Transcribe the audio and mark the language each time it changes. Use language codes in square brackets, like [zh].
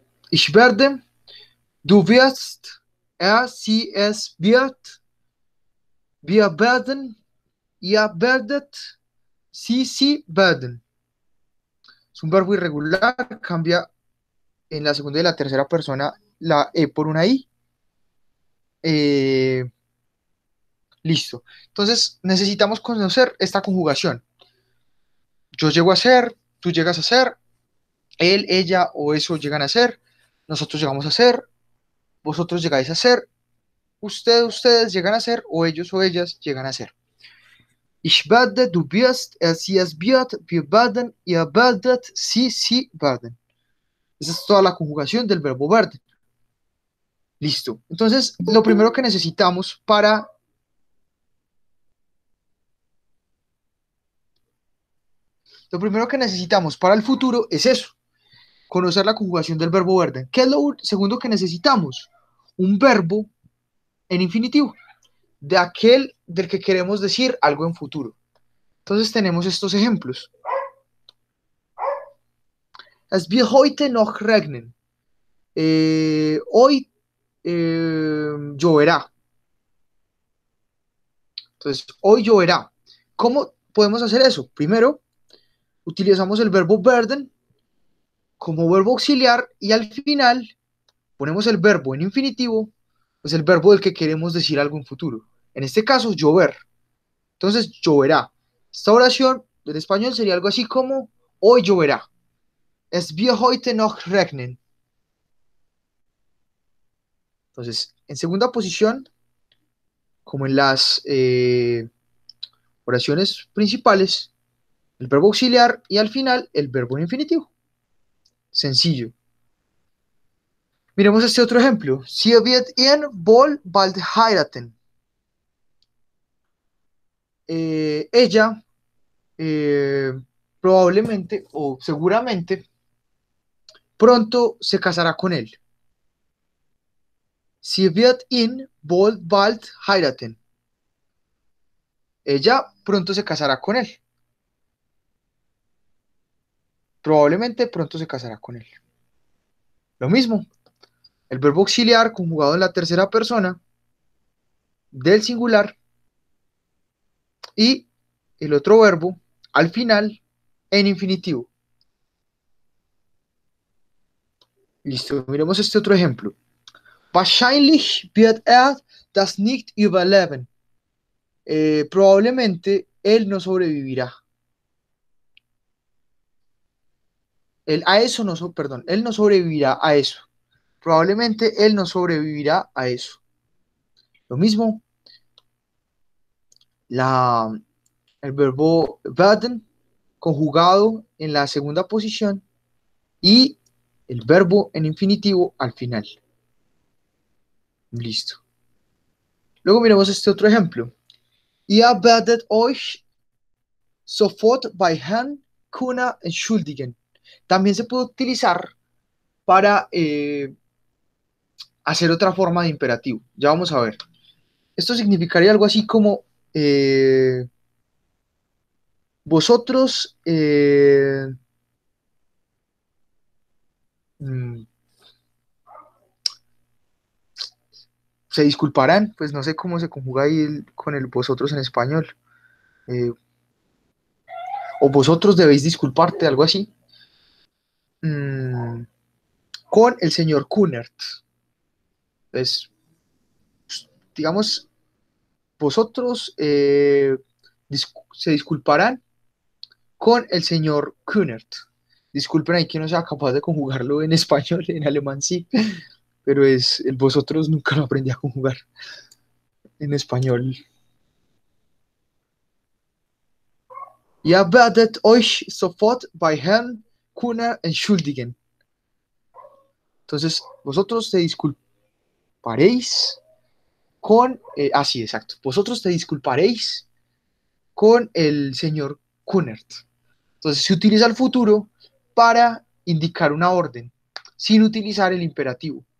[de] Ich werde, du wirst, er, sie, es wird, wir werden, ihr werdet, sie werden. [es] Es un verbo irregular, cambia en la segunda y la tercera persona la E por una I. Listo. Entonces, necesitamos conocer esta conjugación. Yo llego a ser, tú llegas a ser, él, ella o eso llegan a ser. Nosotros llegamos a ser, vosotros llegáis a ser, ustedes llegan a ser, o ellos o ellas llegan a ser. [de] Ich werde, du wirst, er, sie, es wird, wir werden, ihr werdet, sie werden. [es] Esa es toda la conjugación del verbo werden. Listo. Entonces, lo primero que necesitamos para el futuro es eso. Conocer la conjugación del verbo werden. ¿Qué es lo segundo que necesitamos? Un verbo en infinitivo, de aquel del que queremos decir algo en futuro. Entonces tenemos estos ejemplos. [de] Es wird heute noch regnen. [es] Hoy lloverá. Entonces, hoy lloverá. ¿Cómo podemos hacer eso? Primero, utilizamos el verbo werden como verbo auxiliar y al final ponemos el verbo en infinitivo, pues el verbo del que queremos decir algo en futuro. En este caso, llover. Entonces, lloverá. Esta oración del español sería algo así como, hoy lloverá. [de] Es wird heute noch regnen. [es] Entonces, en segunda posición, como en las oraciones principales, el verbo auxiliar y al final el verbo en infinitivo. Sencillo. Miremos este otro ejemplo. [de] Sie wird ihn wohl bald heiraten. [es] Ella probablemente o seguramente pronto se casará con él. [de] Sie wird ihn wohl bald heiraten. [es] Ella pronto se casará con él. Probablemente pronto se casará con él. Lo mismo, el verbo auxiliar conjugado en la tercera persona del singular y el otro verbo al final en infinitivo. Listo, miremos este otro ejemplo. [de] Wahrscheinlich wird er das nicht überleben. [es] Probablemente él no sobrevivirá. Perdón, él no sobrevivirá a eso. Probablemente él no sobrevivirá a eso. Lo mismo, el verbo werden conjugado en la segunda posición y el verbo en infinitivo al final. Listo. Luego miremos este otro ejemplo. [de] Ihr werdet euch sofort bei Herrn Kuna entschuldigen. [es] También se puede utilizar para hacer otra forma de imperativo. Ya vamos a ver. Esto significaría algo así como vosotros. Se disculparán, pues no sé cómo se conjuga ahí con el vosotros en español. O vosotros debéis disculparte, algo así. Con el señor Kunert. Pues, digamos, vosotros se disculparán con el señor Kunert. Disculpen ahí que no sea capaz de conjugarlo en español, en alemán sí. Pero es el vosotros nunca lo aprendí a conjugar en español. [de] Ihr werdet euch sofort bei Herrn Kuna entschuldigen. [es] Entonces, vosotros te disculparéis con. Así, ah, exacto. Vosotros te disculparéis con el señor Kunert. Entonces, se utiliza el futuro para indicar una orden, sin utilizar el imperativo.